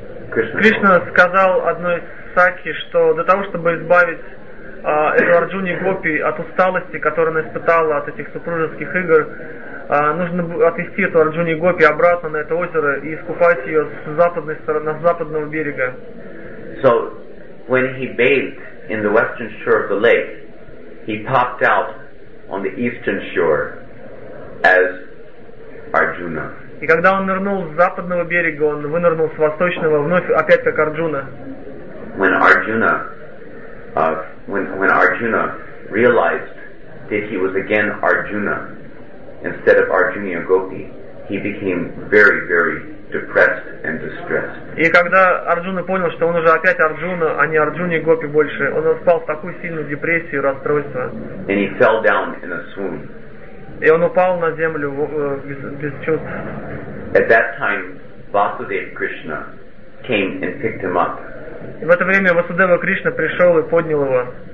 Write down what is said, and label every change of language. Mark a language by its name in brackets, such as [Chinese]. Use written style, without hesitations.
[Russian] Кришна сказал одной сакхи, что для того, чтобы избавить эту Арджуни Гопи от усталости, которую она испытала от этих супружеских игр, нужно отвезти эту Арджуни Гопи обратно на это озеро и искупать ее с западного берега. [English] So, when he bathed in the western shore of the lake, he popped out on the eastern shore as Arjuna. [Russian] И когда он нырнул с западного берега, он вынырнул с восточного, вновь опять как Арджуна. [English] When Arjuna realized that he was again Arjuna instead of Arjuna Gopi, he became very, very depressed and distressed. [Russian] И когда Арджуна понял, что он уже опять Арджуна, а не Арджуна Гопи больше, он впал в такую сильную депрессию, расстройство. [English] And he fell down in a swoon. [Russian] И он упал на землю без чувств. [English] At that time, Vasudev Krishna came and picked him up. [Russian] В это время Васудева Кришна пришел и поднял его.